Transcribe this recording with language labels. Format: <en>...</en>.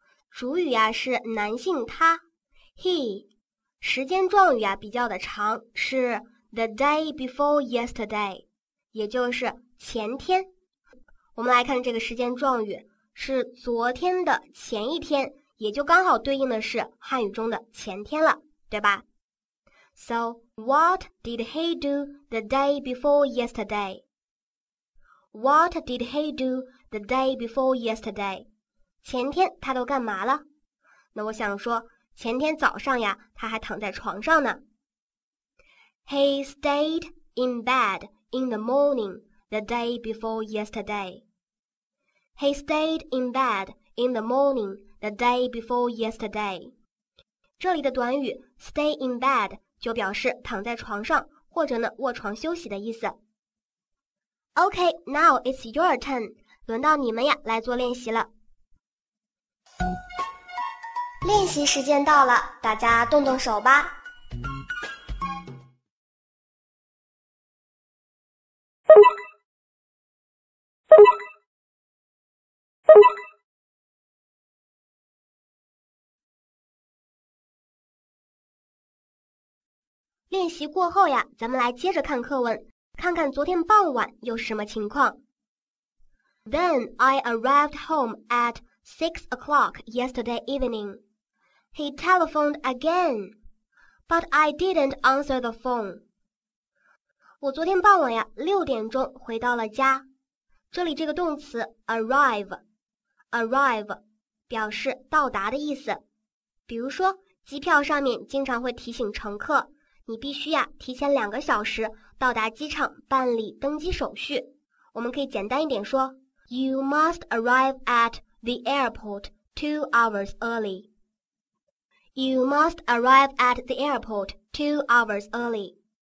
<zh>主语啊是男性他 He 时间状语啊比较的长，是</zh> <en>The day before yesterday，</en> <zh>也就是前天。我们来看这个时间状语，是昨天的前一天，也就刚好对应的是汉语中的前天了，对吧？ So,</zh> <en>What did he do the day before yesterday? What did he do the day before yesterday?</en> <zh>前天他都干嘛了？那我想说，前天早上呀，他还躺在床上呢。</zh> <en>He stayed in bed in the morning the day before yesterday. He stayed in bed in the morning the day before yesterday.</en> <zh>这里的短语 stay in bed 就表示躺在床上或者呢卧床休息的意思。</zh> <en>OK, now it's your turn.</en> <zh>轮到你们呀来做练习了。练习时间到了，大家动动手吧。练习过后呀，咱们来接着看课文，看看昨天傍晚又是什么情况。</zh> <en>Then I arrived home at 6 o'clock yesterday evening. He telephoned again, but I didn't answer the phone.</en> <zh>我昨天傍晚呀，六点钟回到了家。这里这个动词 arrive 表示到达的意思。比如说，机票上面经常会提醒乘客，你必须呀提前2个小时到达机场办理登机手续。我们可以简单一点说</zh> <en>,You must arrive at the airport 2 hours early. You must arrive at the airport 2 hours early.</en>